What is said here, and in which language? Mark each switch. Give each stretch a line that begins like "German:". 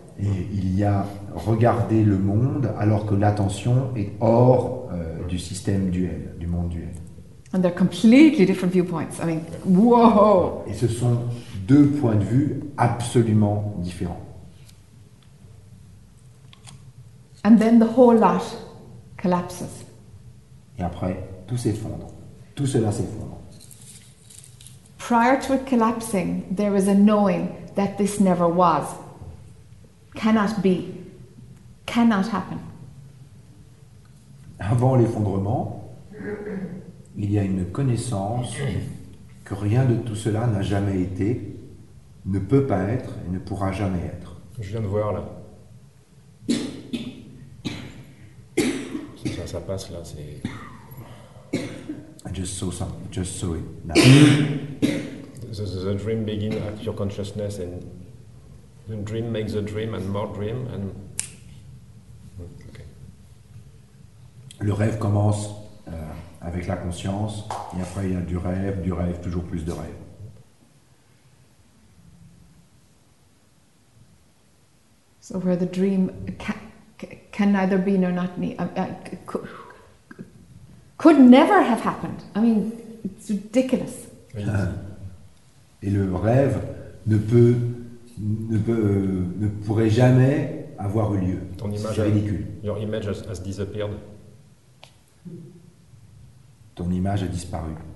French: Et il y a regarder le monde alors que l'attention est hors du système duel, du monde duel.
English: And they're completely different viewpoints. I mean, whoa!
French: Et ce sont deux points de vue absolument différents.
English: And then the whole lot collapses.
French: Et après, tout s'effondre. Tout cela s'effondre.
English: Prior to it collapsing, there is a knowing that this never was, cannot be, cannot happen.
French: Avant l'effondrement, il y a une connaissance que rien de tout cela n'a jamais été, ne peut pas être et ne pourra jamais être. Je viens de voir là. Ça passe là, c'est...
English: I just saw something, just saw it now. The dream begins at your consciousness and the dream makes a dream and more dream and... Okay.
French: Le rêve commence... avec la conscience, et après il y a du rêve, toujours plus de rêve.
English: So where the dream can neither be nor not be, could never have happened. I mean, it's ridiculous.
French: Et le rêve ne pourrait jamais avoir eu lieu. Ton image, c'est ridicule.
English: Your image has disappeared.
French: Ton image a disparu.